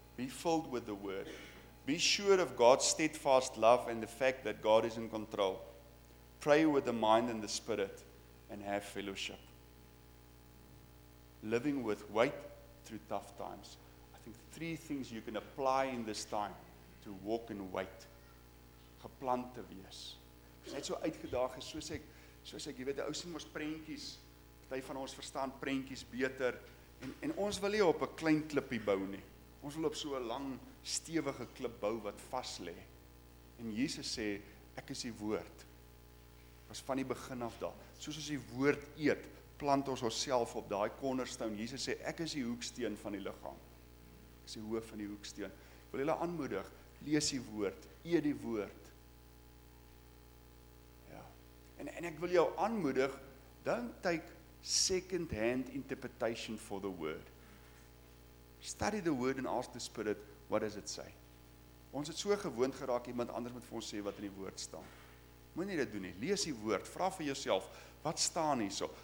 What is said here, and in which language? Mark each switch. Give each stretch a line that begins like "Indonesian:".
English: Be filled with the word. Be sure of God's steadfast love and the fact that God is in control. Pray with the mind and the spirit and have fellowship. Living with weight through tough times. I think three things you can apply in this time to walk in weight.
Afrikaans: Geplant te wees. Ek is net so uitgedaag, soos ek, jy weet, die ou sien ons prentjies, party van ons verstaan prentjies beter. En ons wil nie op 'n klein klippie bou nie. Ons wil op so 'n lang, stewige klip bou wat vas lê. En Jesus sê, ek is die woord. Was van die begin af daar. Soos ons die woord eet, plant ons onsself op daai cornerstone. Jesus sê, ek is die hoeksteen van die liggaam. Ek is die hoof van die hoeksteen. Ek wil julle aanmoedig, lees die woord, eet die woord. Ja. En ek wil jou aanmoedig,
English: don't take second-hand interpretation for the word. Study the word and ask the spirit, what does it say?
Afrikaans: Ons het so gewoond geraak, iemand anders moet vir ons sê wat in die woord staan. Moenie dit doen nie, lees die woord, vra vir jouself, wat staan hierso?